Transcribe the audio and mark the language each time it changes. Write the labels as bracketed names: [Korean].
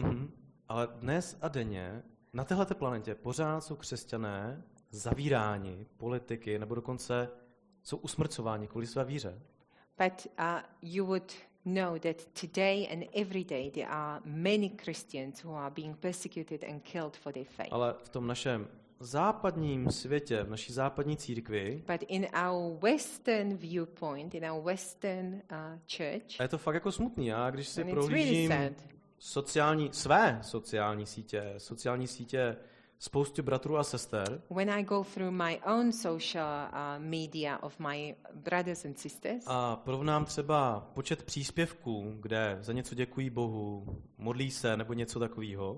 [Czech] Mm-hmm. Ale dnes a denně na téhleté planetě pořád jsou křesťané zavíráni politiky nebo dokonce jsou usmrcováni kvůli své víře. [English] But you would know that today and every day there are many Christians who are being persecuted and killed for their faith. [Czech] Ale v tom našem západním světě, v naší západní církvi. [English] But in our western viewpoint, in our western church. [Czech] A je to fakt jako smutný, já, když si prohlížím své sociální sítě spoustu bratrů a sester. [English] When I go through my own social media of my brothers and sisters. [Czech] A porovnám třeba počet příspěvků, kde za něco děkují Bohu, modlí se nebo něco takového.